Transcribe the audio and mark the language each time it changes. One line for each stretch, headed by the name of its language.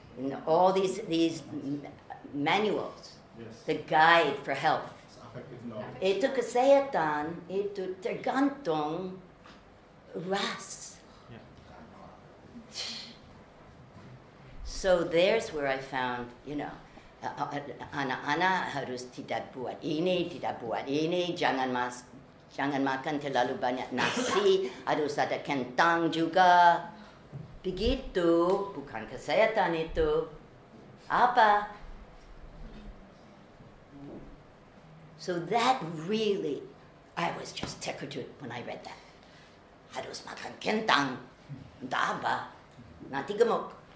English: In all these manuals, the guide for health.
Indonesian: Itu kesehatan, itu tergantung ras.
English: So there's where I found, you know,
Indonesian: anak-anak harus tidak buat ini, tidak buat ini, jangan makan terlalu banyak nasi, harus ada kentang juga. Begitu, bukan kesehatan itu. Apa?
English: So that really, I was just tickled when I read that.
Indonesian: Harus makan kentang, daba, nanti gemuk.